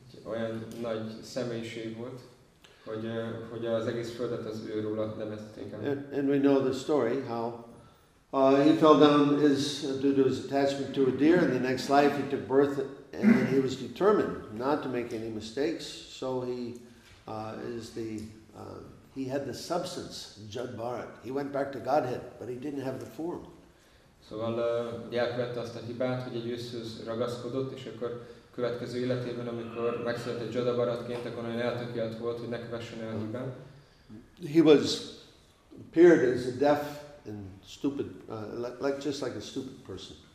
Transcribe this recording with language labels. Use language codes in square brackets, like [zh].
[hu] Olyan nagy személyiség volt, hogy az egész földet az ő róla nevezték el. [en] And we know the story, how he fell down due to his attachment to a deer, and the next life he took birth, and he was determined not to make any mistakes, so he is the... he had the substance, Jad Bharat. He went back to Godhead, but he didn't have the form. [hu] Szóval elkövette azt a hibát, hogy egy őszhöz ragaszkodott, és akkor következő életében, amikor megszületett Jad Bharatként, akkor olyan eltökélt volt, hogy ne kövessen el a hibát. [en] He was appeared as a deaf and stupid, like just like a stupid person.